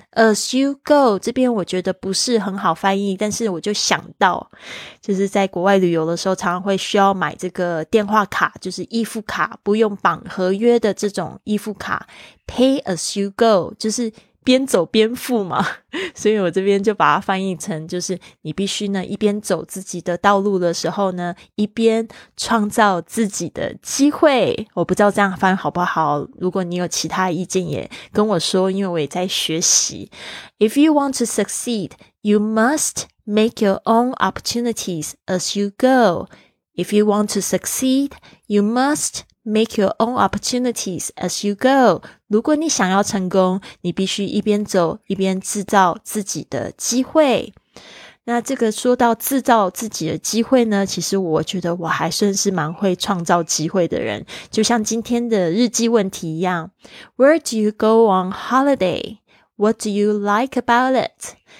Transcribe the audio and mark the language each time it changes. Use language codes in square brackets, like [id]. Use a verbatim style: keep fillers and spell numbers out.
[en] As you go [zh] 这边我觉得不是很好翻译，但是我就想到就是在国外旅游的时候常常会需要买这个电话卡，就是易付卡，不用绑合约的这种易付卡， [en] Pay as you go [zh] 就是边走边付嘛，所以我这边就把它翻译成就是你必须呢一边走自己的道路的时候呢一边创造自己的机会。我不知道这样翻好不好，如果你有其他意见也跟我说，因为我也在学习。 [en] If you want to succeed, you must make your own opportunities as you go. If you want to succeed, you mustMake your own opportunities as you go. [zh] 如果你想要成功，你必须一边走，一边制造自己的机会。那这个说到制造自己的机会呢，其实我觉得我还算是蛮会创造机会的人，就像今天的日记问题一样。 [en] Where do you go on holiday? What do you like about it?